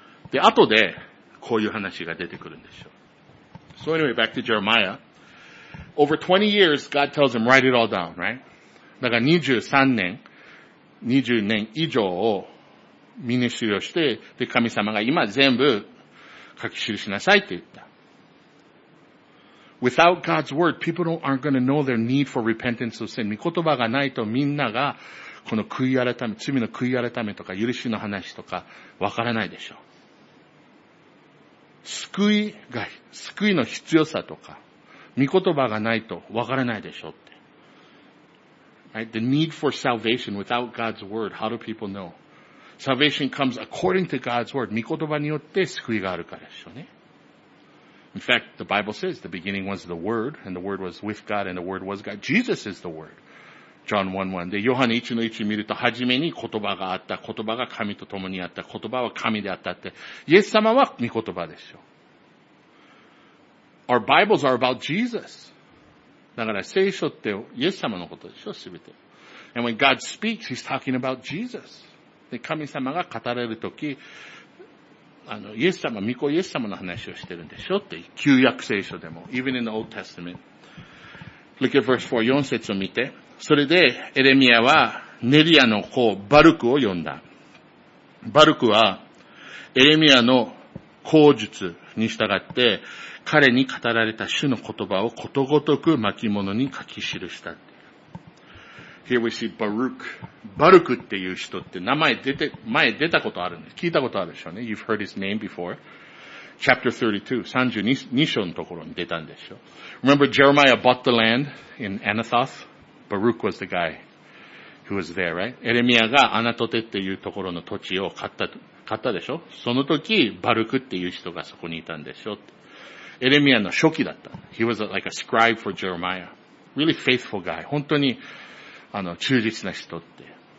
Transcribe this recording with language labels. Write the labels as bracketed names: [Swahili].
[Japanese] で、後でこういう話が出てくるんでしょう。 [English] So anyway, back to Jeremiah. Over 20 years, God tells him, write it all down, right? [Japanese] だから23年、20年以上をミニシリをして、で、神様が今全部書き記しなさいって言った。 [English] Without God's word, people aren't going to know their need for repentance of sin. [Japanese] 御言葉がないとみんながこの悔い改め、罪の悔い改めとか許しの話とかわからないでしょう。救いの必要さとか、御言葉がないとわからないでしょうって。 [English] Right? The need for salvation without God's word, how do people know? Salvation comes according to God's word. [Japanese] 御言葉によって救いがあるからでしょうね。 [English] In fact, the Bible says the beginning was the Word, and the Word was with God, and the Word was God. Jesus is the Word. John 1:1. [Japanese] で、ヨハネ 1:1 見ると、はじめに言葉があった。言葉が神と共にあった。言葉は神であったって。イエス様は御言葉ですよ。 [English] Our Bibles are about Jesus. [Japanese] だから聖書ってイエス様のことでしょ、すべて。 [English] And when God speaks, He's talking about Jesus. [Japanese] で、神様が語れるとき、イエス様、巫女イエス様の話をしてるんでしょって、旧約聖書でも。 [English] Even in the Old Testament. Look at verse 4, [Japanese] 4節を見て。それで、エレミアは、ネリアの子、バルクを呼んだ。バルクは、エレミアの口述に従って、彼に語られた主の言葉をことごとく巻物に書き記した。 [English] Here we see Baruch. [Japanese] バルクっていう人って名前前出たことあるんです。聞いたことあるでしょうね。 [English] You've heard his name before. Chapter 32, [Japanese] 32章のところに出たんでしょう。 [English] Remember Jeremiah bought the land in Anathoth? Baruch was the guy who was there, right? [Japanese] エレミアがアナトテっていうところの土地を買ったでしょ。その時、バルクっていう人がそこにいたんでしょ。エレミアの初期だった。 [English] He was like a scribe for Jeremiah. Really faithful guy. [Japanese] 本当に忠実な人って。